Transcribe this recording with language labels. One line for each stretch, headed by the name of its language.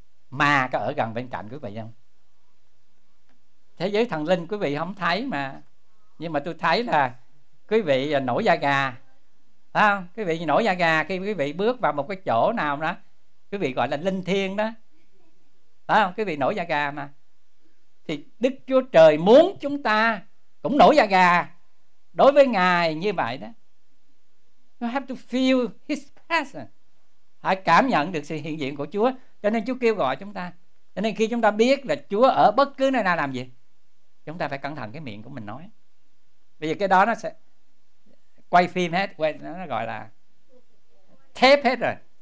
Vietnamese: Ma có ở gần bên cạnh quý vị không? Thế giới thần linh quý vị không thấy mà, nhưng mà tôi thấy là quý vị nổi da gà, phải không? Quý vị nổi da gà khi quý vị bước vào một cái chỗ nào đó, quý vị gọi là linh thiêng đó, phải không? Quý vị nổi da gà mà. Thì Đức Chúa Trời muốn chúng ta cũng nổi da gà đối với Ngài như vậy đó.
English: You have to feel His presence.
Vietnamese: Hãy cảm nhận được sự hiện diện của Chúa. Cho nên Chúa kêu gọi chúng ta. Cho nên khi chúng ta biết là Chúa ở bất cứ nơi nào làm gì, chúng ta phải cẩn thận cái miệng của mình nói. Bây giờ cái đó nó sẽ quay phim hết, quay, nó gọi là tape hết rồi.